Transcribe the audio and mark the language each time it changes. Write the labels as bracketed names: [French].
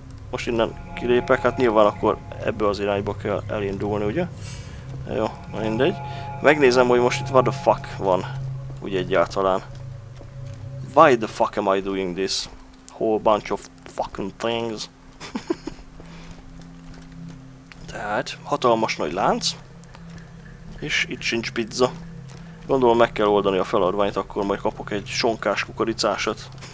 [Hungarian] Most innen kilépek, hát nyilván akkor ebbe az irányba kell elindulni, ugye? Jó, mindegy. Megnézem, hogy most itt [English] what the fuck [Hungarian] van, ugye egyáltalán. [English] Why the fuck am I doing this? Whole bunch of fucking things. [Hungarian] Tehát, hatalmas nagy lánc. És itt sincs pizza. Gondolom meg kell oldani a feladványt, akkor majd kapok egy sonkás kukoricásat.